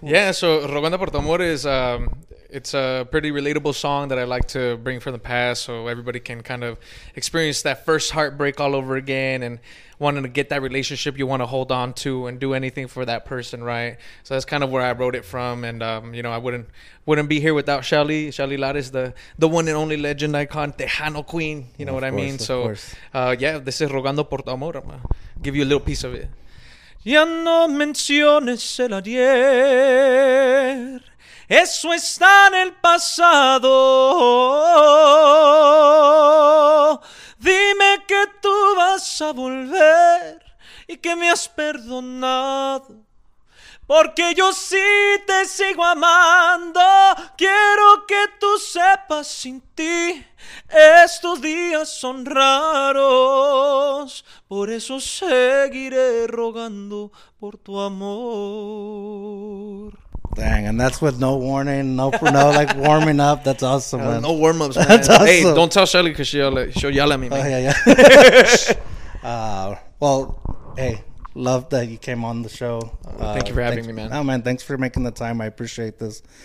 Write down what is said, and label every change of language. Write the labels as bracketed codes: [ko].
[en] Yeah, so Rogando por tu amor is it's a pretty relatable song that I like to bring from the past, so everybody can kind of experience that first heartbreak all over again and wanting to get that relationship you want to hold on to and do anything for that person, right? So that's kind of where I wrote it from. And I wouldn't be here without Shelly Lara, is the one and only legend icon, Tejano queen, you know what I mean. So this is Rogando por tu amor. I'm gonna give you a little piece of it. [es] Ya no menciones el ayer, eso está en el pasado. Dime que tú vas a volver y que me has perdonado, porque yo sí te sigo amando. Quiero que tú sepas, sin ti estos días son raros, por eso seguiré rogando por tu amor. [en] Dang, and that's with no warning, no like warming up. That's awesome, man. No warm ups, man. That's awesome. Hey, don't tell Shelly because she'll yell at me, man. Oh, yeah. Well, hey, love that you came on the show. Thank you for having me, man. No, man, thanks for making the time. I appreciate this.